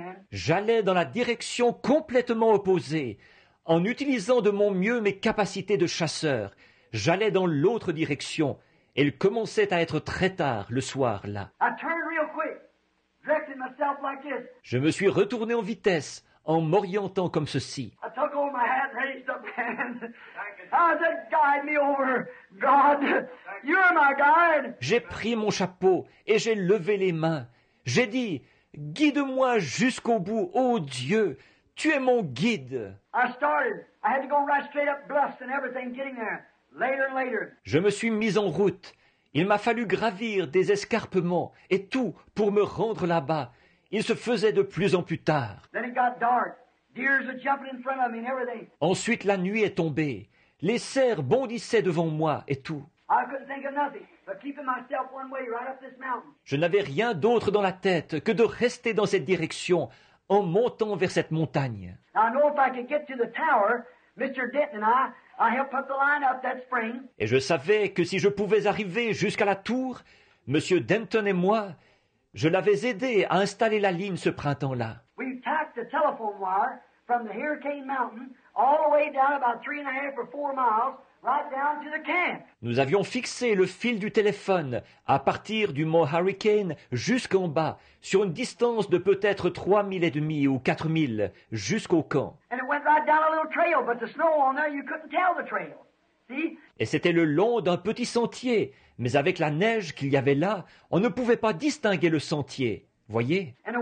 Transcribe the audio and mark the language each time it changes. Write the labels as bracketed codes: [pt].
[fr] J'allais dans la direction complètement opposée, en utilisant de mon mieux mes capacités de chasseur. J'allais dans l'autre direction. Il commençait à être très tard le soir là. [en] I turned real quick, directing myself like this. [fr] Je me suis retourné en vitesse, en m'orientant comme ceci. [en] I took off my hat and raised up my hand. I said, guide me over, God. You're my guide. [fr] J'ai pris mon chapeau et j'ai levé les mains. J'ai dit, guide-moi jusqu'au bout, ô Dieu. Tu es mon guide. [en] I started. I had to go right straight up bluffs and everything getting there. Later and later. [fr] Je me suis mis en route. Il m'a fallu gravir des escarpements et tout pour me rendre là-bas. Il se faisait de plus en plus tard. [en] Then it got dark. Deers were jumping in front of me and everything. [fr] Ensuite, la nuit est tombée. Les cerfs bondissaient devant moi et tout. [en] I couldn't think of nothing but keeping myself one way right up this mountain. [fr] Je n'avais rien d'autre dans la tête que de rester dans cette direction en montant vers cette montagne. [en] I know if I could get to the tower, Mr. Denton and I helped put the line up that spring. [fr] Et je savais que si je pouvais arriver jusqu'à la tour, Monsieur Denton et moi, je l'avais aidé à installer la ligne ce printemps-là. [en] We tacked the telephone wire from the Hurricane Mountain all the way down about 3.5 or 4 miles, right down to the camp. [fr] Nous avions fixé le fil du téléphone à partir du mont Hurricane jusqu'en bas, sur une distance de peut-être 3.5 miles ou 4 miles, jusqu'au camp. [en] And it went right down a little trail, but the snow on there, you couldn't tell the trail. See? [fr] Et c'était le long d'un petit sentier. Mais avec la neige qu'il y avait là, on ne pouvait pas distinguer le sentier. Voyez?